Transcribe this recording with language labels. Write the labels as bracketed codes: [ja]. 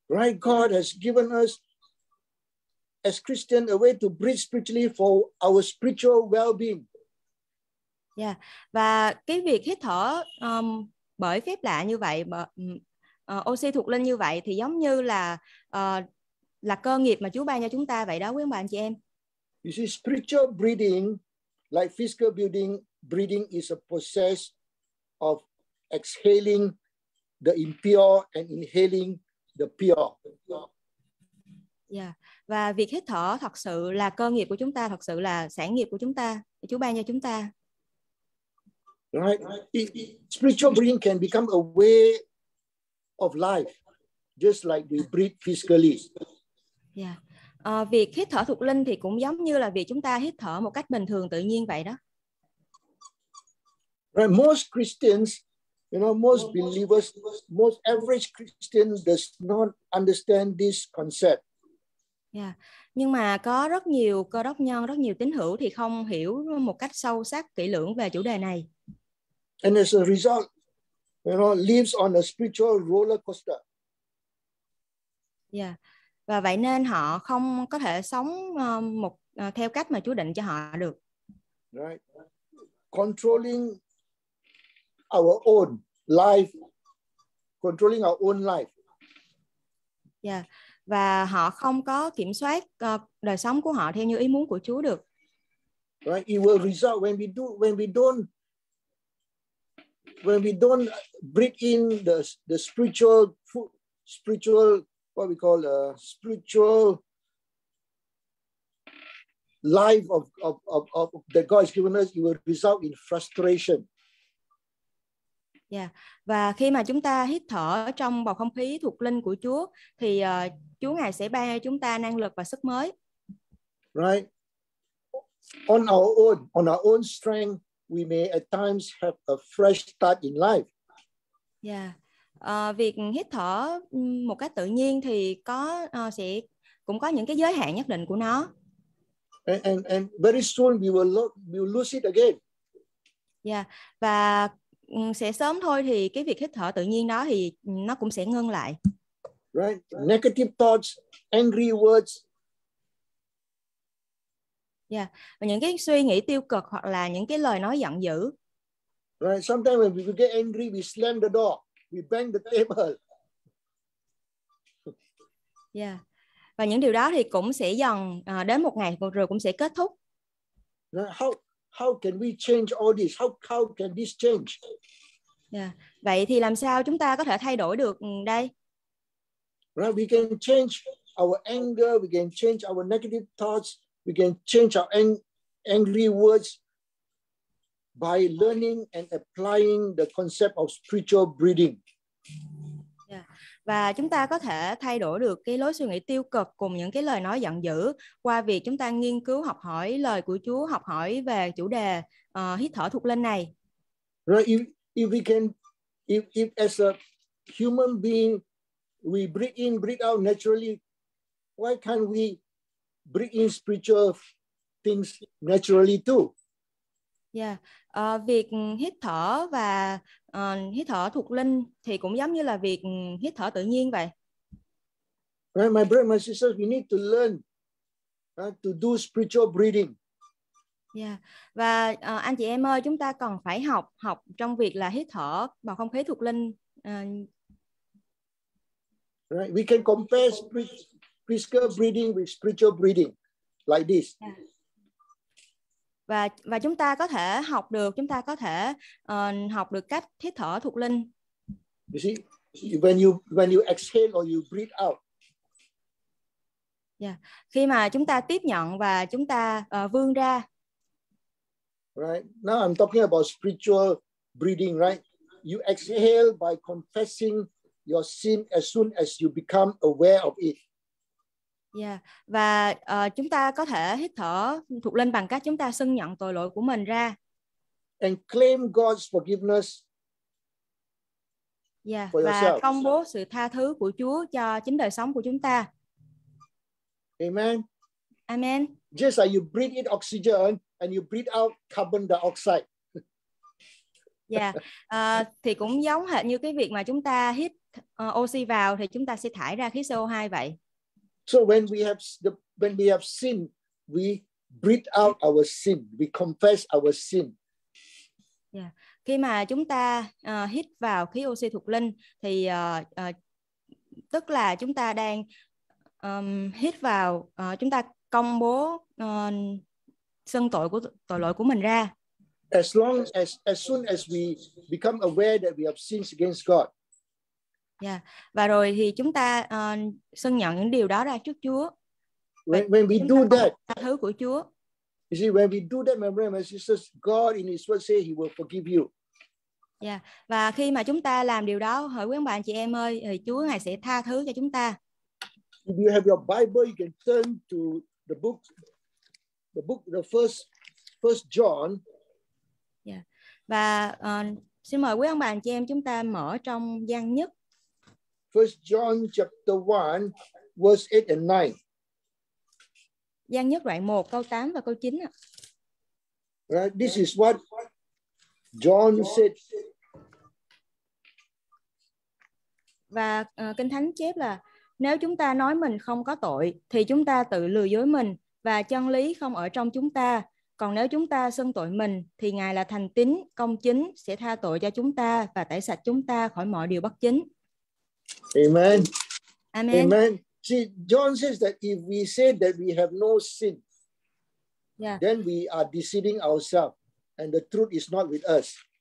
[en] Right, God has given us as Christian a way to breathe spiritually for our spiritual well-being. Yeah. [vi] Và cái việc hít thở bởi phép lạ như vậy, oxy thuộc linh như vậy thì giống như là cơ nghiệp mà Chúa ban cho chúng ta vậy đó quý ông bà anh chị em. [en] You see, spiritual breathing, like physical building, breathing is a process of exhaling the impure and inhaling the pure. Yeah. [vi] Và việc hít thở thật sự là cơ nghiệp của chúng ta, thật sự là sản nghiệp của chúng ta, Chúa ban cho chúng ta. [en] Right. Spiritual breathing can become a way of life, just like we breathe physically. Yeah. [vi] Việc hít thở thuộc linh thì cũng giống như là việc chúng ta hít thở một cách bình thường tự nhiên vậy đó. [en] Right, most Christians, you know, most believers, most average Christians does not understand this concept. Yeah. [vi] Nhưng mà có rất nhiều cơ đốc nhân, rất nhiều tín hữu thì không hiểu một cách sâu sắc kỹ lưỡng về chủ đề này. [en] And as a result, you know, lives on a spiritual roller coaster. Yeah. [vi] Và vậy nên họ không có thể sống một theo cách mà Chúa định cho họ được. [en] Right. Controlling our own life. Controlling our own life. Yeah. [vi] Và họ không có kiểm soát đời sống của họ theo như ý muốn của Chúa được. Right. [en] It will result when we don't breathe in the spiritual food, spiritual what we call a spiritual life of that God has given us, it will result in frustration. Yeah. [vi] Và khi mà chúng ta hít thở trong bầu không khí thuộc linh của Chúa thì Chúa Ngài sẽ ban cho chúng ta năng lực và sức mới. [en] Right. On our own strength, we may at times have a fresh start in life. Yeah. [vi] Việc hít thở một cách tự nhiên thì có sẽ cũng có những cái giới hạn nhất định của nó. [en] And very soon we will lose it again. Yeah. [vi] Và sẽ sớm thôi thì cái việc hít thở tự nhiên đó thì nó cũng sẽ ngưng lại. [en] Right. Negative thoughts, angry words. Yeah. [vi] Và những cái suy nghĩ tiêu cực hoặc là những cái lời nói giận dữ. Right. [en] Sometimes when we get angry, we slam the door. We bang the table. Yeah. [vi] Và những điều đó thì cũng sẽ dần đến một ngày rồi cũng sẽ kết thúc. [en] How can we change all this? How can this change? Yeah. [vi] Vậy thì làm sao chúng ta có thể thay đổi được đây? [en] Right. We can change our anger. We can change our negative thoughts. We can change our angry words by learning and applying the concept of spiritual breathing. Yeah. [vi] Và chúng ta có thể thay đổi được cái lối suy nghĩ tiêu cực cùng những cái lời nói giận dữ qua việc chúng ta nghiên cứu học hỏi lời của Chúa, học hỏi về chủ đề hít thở thuộc linh này. [en] Right. If as a human being we breathe in, breathe out naturally, why can't we breathe in spiritual things naturally too? [vi] Yeah, việc hít thở và hít thở thuộc linh thì cũng giống như là việc hít thở tự nhiên vậy. [en] Right, my brother, my sister, we need to learn to do spiritual breathing. [vi] Yeah, và anh chị em ơi, chúng ta cần phải học trong việc là hít thở bằng không khí thuộc linh. [en] Right, we can compare physical breathing with spiritual breathing like this. Yeah. [vi] Và chúng ta có thể học được, chúng ta có thể học được cách hít thở thuộc linh. [en] You see, when you exhale or you breathe out. Yeah. [vi] Khi mà chúng ta tiếp nhận và chúng ta vươn ra. [en] Right. Now I'm talking about spiritual breathing, right? You exhale by confessing your sin as soon as you become aware of it. Yeah. [vi] Và chúng ta có thể hít thở thuộc linh bằng cách chúng ta xưng nhận tội lỗi của mình ra. [en] And claim God's forgiveness. Yeah. [vi] Và công bố sự tha thứ của Chúa cho chính đời sống của chúng ta. Amen. Amen. [en] Just like you breathe in oxygen and you breathe out carbon dioxide. Yeah. [vi] Thì cũng giống hệt như cái việc mà chúng ta hít oxy vào thì chúng ta sẽ thải ra khí CO2 vậy. [en] So when we have sin, we breathe out our sin, we confess our sin. Yeah. [vi] Khi mà chúng ta hít vào khí oxy thuộc linh thì tức là chúng ta đang hít vào chúng ta công bố xưng tội lỗi của mình ra. [en] As soon as we become aware that we have sins against God. Yeah. [vi] Và rồi thì chúng ta xưng nhận những điều đó ra trước Chúa. [en] When we do that, [vi] tha thứ của Chúa. [en] You see, when we do that, my brother, my sister, God in His word say He will forgive you. Yeah. [vi] Và khi mà chúng ta làm điều đó, hỡi quý ông bà anh chị em ơi, thì Chúa Ngài sẽ tha thứ cho chúng ta. [en] If you have your Bible, you can turn to the book, the first John. Yeah. [vi] Và xin mời quý ông bà anh chị em chúng ta mở trong Giăng Nhất. [en] First John chapter 1 verse 8 and 9. [vi] Giăng Nhất đoạn 1 câu 8 và câu 9 ạ. [en] Right, this is what John said. [vi] Và Kinh Thánh chép là nếu chúng ta nói mình không có tội thì chúng ta tự lừa dối mình và chân lý không ở trong chúng ta. Còn nếu chúng ta xưng tội mình thì Ngài là thành tín, công chính sẽ tha tội cho chúng ta và tẩy sạch chúng ta khỏi mọi điều bất chính. Amen. Amen. Amen. [en] See, John says that if we say that we have no sin, yeah, then we are deceiving ourselves and the truth is not with us.